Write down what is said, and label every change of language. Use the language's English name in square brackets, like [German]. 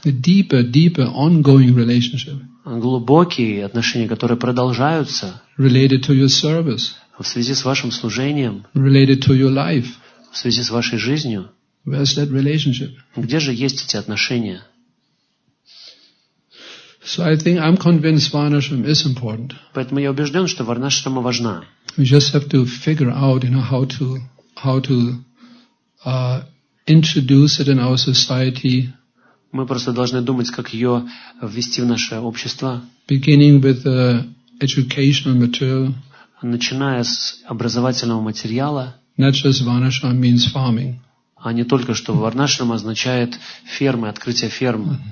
[English] The deeper ongoing relationship. [Russian] Глубокие отношения, которые продолжаются. [English] Related to your service. [Russian] В связи с вашим служением. [English] Related to your life. [Russian] В связи с вашей жизнью. [English] Where's that relationship? [Russian] Где же есть эти отношения? [English] So I think I'm convinced Varnashram is important. [Russian] Поэтому я убежден, что Варнашрама важна. [English] We just have to figure out, you know, how to introduce it in our society. [Russian] Мы просто должны думать, как ее ввести в наше общество. [English] Beginning with the educational material. [Russian] Начиная с образовательного материала. [English] Not just Varnashram means farming. [Russian] А не только, что варнашрам означает фермы, открытие ферм.